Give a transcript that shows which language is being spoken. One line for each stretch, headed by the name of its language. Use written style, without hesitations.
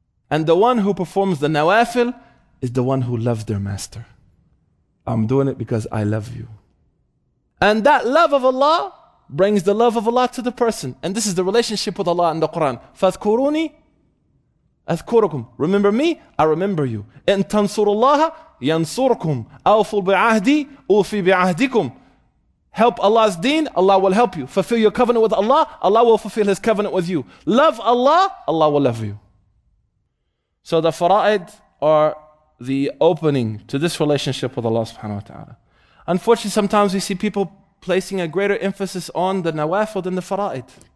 English: And the one who performs the nawafil is the one who loves their master. I'm doing it because I love you. And that love of Allah brings the love of Allah to the person. And this is the relationship with Allah in the Quran.
Arabic: فَاذْكُرُونِي أَذْكُرُكُمْ
English: Remember me, I remember you.
Arabic: إِن تَنْصُرُ اللَّهَ يَنْصُرُكُمْ أَوْفُوا بِعَهْدِي أُوْفِي بِعَهْدِكُمْ
English: Help Allah's deen, Allah will help you. Fulfill your covenant with Allah, Allah will fulfill His covenant with you. Love Allah, Allah will love you. So the fara'id are the opening to this relationship with Allah subhanahu wa ta'ala. Unfortunately, sometimes we see people placing a greater emphasis on the nawafil than the fara'id.